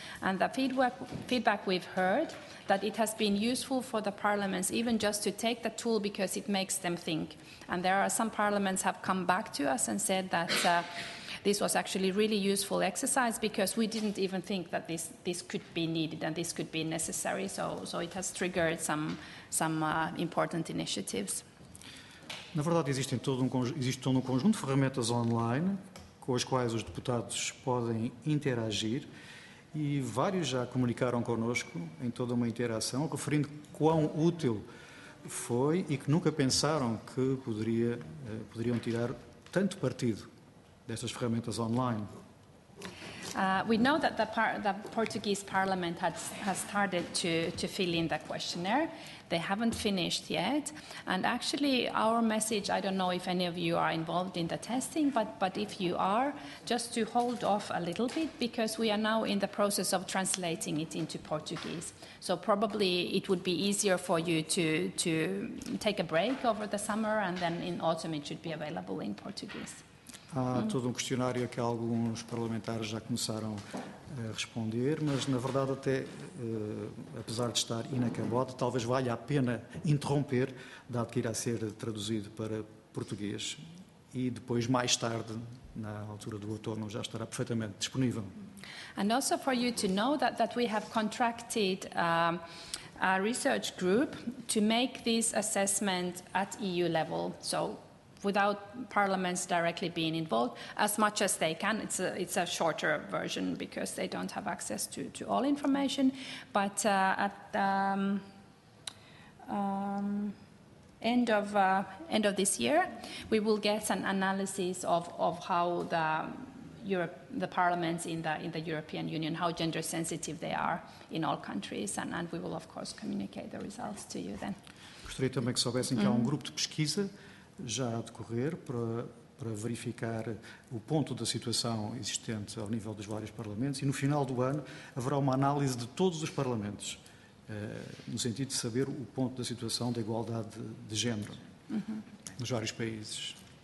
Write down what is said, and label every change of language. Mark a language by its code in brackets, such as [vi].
[en] And the feedback we've heard, that it has been useful for the parliaments even just to take the tool because it makes them think. And there are some parliaments have come back to us and said that this was actually really useful exercise because we didn't even think that this could be needed and this could be necessary. So it has triggered some important initiatives. [pt] Na verdade, existe todo um conjunto de ferramentas online com as quais os deputados podem interagir e vários já comunicaram connosco em toda uma interação, referindo quão útil foi e que nunca pensaram que poderiam tirar tanto partido destas ferramentas online. [en] We know that the Portuguese Parliament has started to fill in the questionnaire. They haven't finished yet. And actually, our message, I don't know if any of you are involved in the testing, but if you are, just to hold off a little bit, because we are now in the process of translating it into Portuguese. So probably it would be easier for you to take a break over the summer, and then in autumn it should be available in Portuguese. [pt] Há todo um questionário que alguns parlamentares já começaram a responder, mas, na verdade, até, apesar de estar inacabado, talvez valha a pena interromper, dado que irá ser traduzido para português, e depois, mais tarde, na altura do outono, já estará perfeitamente disponível. [en] And also for you to know that we have contracted a research group to make this assessment at EU level, so without parliaments directly being involved, as much as they can. It's a shorter version because they don't have access to all information. But at the end of this year, we will get an analysis of how the parliaments in the European Union, how gender sensitive they are in all countries, and we will of course communicate the results to you then. [pt] Gostaria também que soubessem que há um grupo de pesquisa já a decorrer para verificar o ponto da situação existente ao nível dos vários parlamentos e no final do ano haverá uma análise de todos os parlamentos no sentido de saber o ponto da situação da igualdade de género nos vários países.